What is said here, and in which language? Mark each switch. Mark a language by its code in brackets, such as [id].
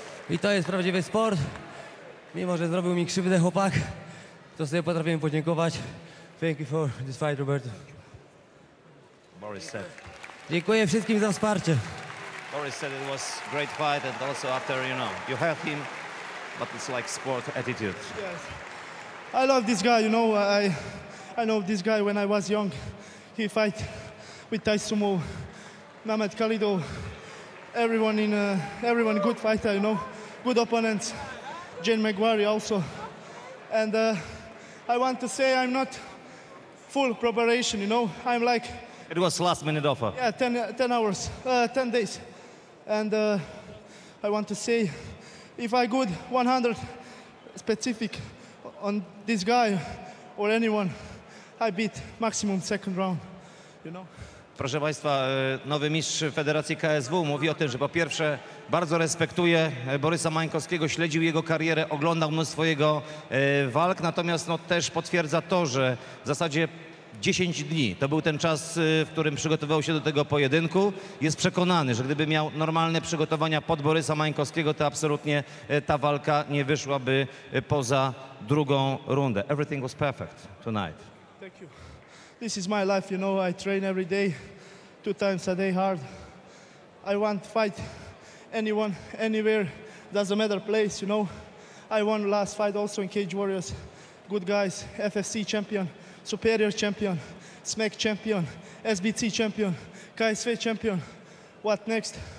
[pl] I to jest prawdziwy sport. Mimo, że zrobił mi krzywdę chłopak, to sobie potrafię podziękować. [en] Thank you for this fight, Roberto. Boris said. [pl] Dziękuję wszystkim za wsparcie. [en] Boris said it was great fight and also after, you know, you have him. But it's like sport attitude. Yes. I love this guy, you know. I know this guy when I was young. He fight with Taisumo, Mehmet Khalido, everyone good fighter, you know. Good opponents. Jane McGuire also. And I want to say I'm not full preparation, you know. I'm like... It was last minute offer. Yeah, 10 hours, 10 days. And I want to say... If I could 100 specific on this guy or anyone, I beat maximum second round, you know. [pl] Proszę Państwa, nowy mistrz Federacji KSW mówi o tym, że po pierwsze bardzo respektuje Borysa Mańkowskiego, śledził jego karierę, oglądał mnóstwo jego walk, natomiast no, też potwierdza to, że w zasadzie 10 dni to był ten czas, w którym przygotowywał się do tego pojedynku. Jest przekonany, że gdyby miał normalne przygotowania pod Borysa Mańkowskiego, to absolutnie ta walka nie wyszłaby poza drugą rundę. [en] Everything was perfect tonight. Thank you. This is my life, you know. I train every day, two times a day hard. I want to fight anyone, anywhere. Doesn't matter place, you know. I won last fight also in Cage Warriors. Good guys, FFC champion. Superior champion, SMAC champion, SBC champion, KSV champion. What next?